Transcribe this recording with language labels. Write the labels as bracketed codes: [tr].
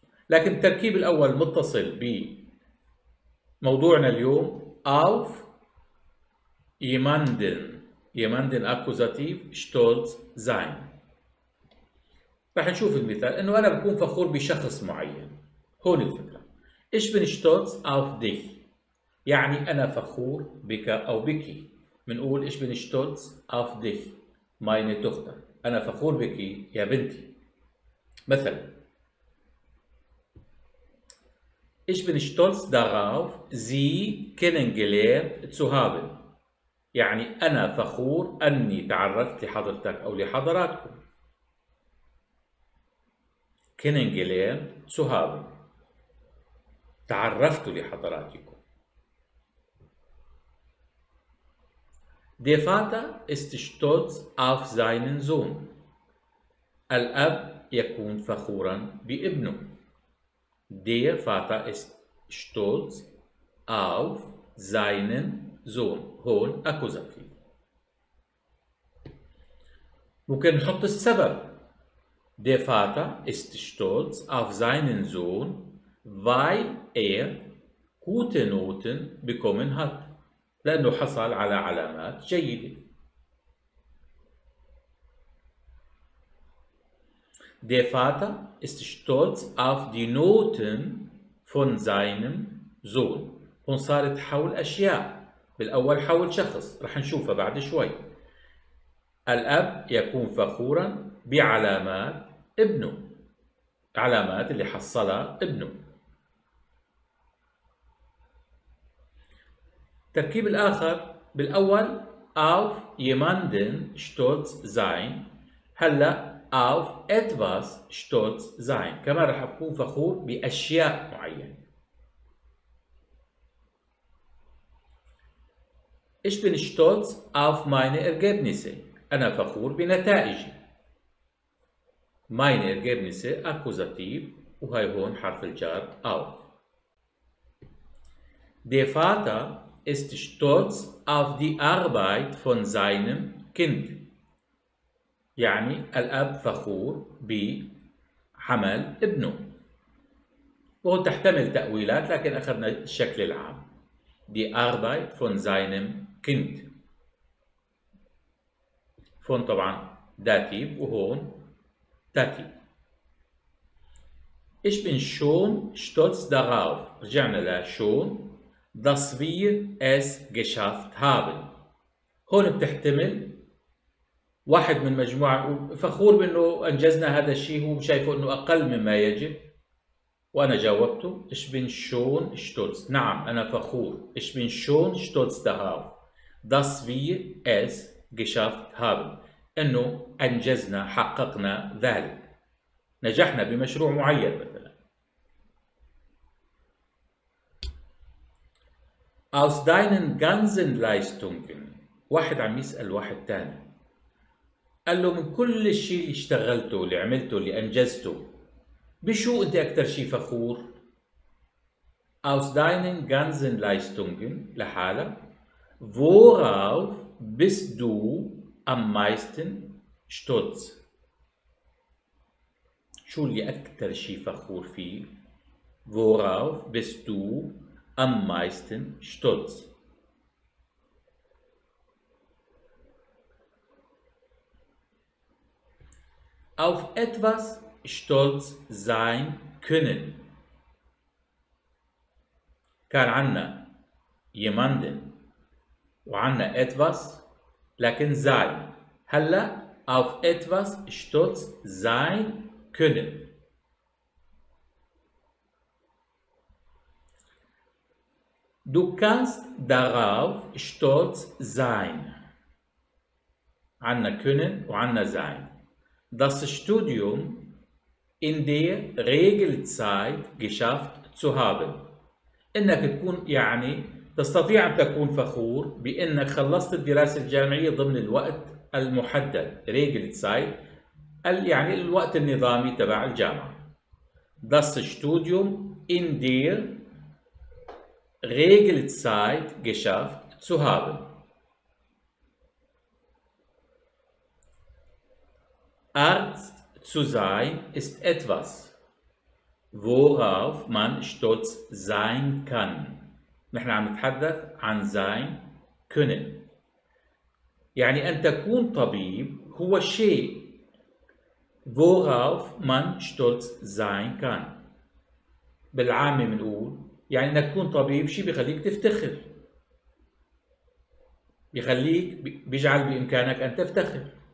[ar] لكن التركيب الاول متصل ب موضوعنا اليوم [de] auf jemanden jemanden akkusativ stolz sein. [ar] رح نشوف المثال انه انا بكون فخور بشخص معين. هون الفكره [de] ich bin stolz auf dich، [ar] يعني انا فخور بك او بك. بنقول [de] ich bin stolz auf dich meine Tochter، [ar] انا فخور بك يا بنتي. [de] مثلا Ich bin stolz darauf, Sie kennengelernt zu haben. [ar] يعني أنا فخور أني تعرفت لحضرتك أو لحضراتكم. [de] Kennengelernt zu haben. [ar] تعرفت لحضراتكم. [de] Der Vater ist stolz auf seinen Sohn. [ar] الأب يكون فخورا بابنه. [de] Der Vater ist stolz auf seinen Sohn. [ar] هون أكوزاتيف. ممكن نحط السبب. [de] Der Vater ist stolz auf seinen Sohn, weil er gute Noten bekommen hat. [ar] لأنه حصل على علامات جيدة. [de] Der Vater ist stolz auf die Noten von seinem Sohn. [ar] هون صارت حول أشياء. بالأول حول شخص رح نشوفه بعد شوي. الأب يكون فخورا بعلامات ابنه، علامات اللي حصلها ابنه. التركيب الآخر بالأول [de] auf jemanden stolz sein، [ar] هلا [de] auf etwas stolz sein، [ar] كمان رح أكون فخور بأشياء معينة. [de] Ich bin stolz auf meine Ergebnisse، [ar] أنا فخور بنتائجي. [de] Meine Ergebnisse akkusativ، [ar] وهي هون حرف الجر auf. [de] Der Vater ist stolz auf die Arbeit von seinem Kind، [ar] يعني الأب فخور بعمل ابنه. وهو تحتمل تأويلات لكن أخذنا الشكل العام. [de] Die Arbeit von seinem Kind. [ar] فون طبعا داتيب وهون داتيب. [de] Ich bin schon stolz darauf. [ar] رجعنا لشون. [de] Dass wir es geschafft haben. [ar] هون بتحتمل واحد من مجموعة فخور بأنه أنجزنا هذا الشيء، هو شايفه أنه أقل مما يجب. وأنا جاوبته [de] Ich bin schon stolz. [ar] نعم أنا فخور. [de] Ich bin schon stolz darauf. Dass wir es geschafft haben. [ar] أنه أنجزنا، حققنا ذلك. نجحنا بمشروع معين مثلا. [de] Aus deinen ganzen Leistungen. [ar] واحد عم يسأل واحد تاني، قال له من كل الشيء اللي اشتغلته اللي عملته اللي أنجزته بشو أنت أكثر شيء فخور؟ [de] Aus deinen ganzen Leistungen [ar] لحالك. [de] Worauf bist du am meisten stolz؟ [ar] شو اللي أكثر شيء فخور فيه؟ [de] Worauf bist du am meisten stolz. Auf etwas stolz sein können. [ar] كان عنا jemanden وعنا etwas لكن sein. هلا [de] auf etwas stolz sein können. Du kannst darauf stolz sein. [ar] عنا können وعنا sein. [de] Das Studium in der Regelzeit geschafft zu haben. [ar] انك تكون يعني تستطيع ان تكون فخور بانك خلصت الدراسة الجامعية ضمن الوقت المحدد. Regelzeit يعني الوقت النظامي تبع الجامعة. [de] Das Studium in der Regelzeit geschafft zu haben. Arzt zu sein ist etwas, worauf man stolz sein kann. [ar] نحن عم نتحدث عن sein können. يعني أن تكون طبيب هو شيء [de] worauf man stolz sein kann. [ar] بالعامة منقول يعني انك تكون طبيب شيء بيخليك تفتخر، بيخليك بيجعل بامكانك ان تفتخر.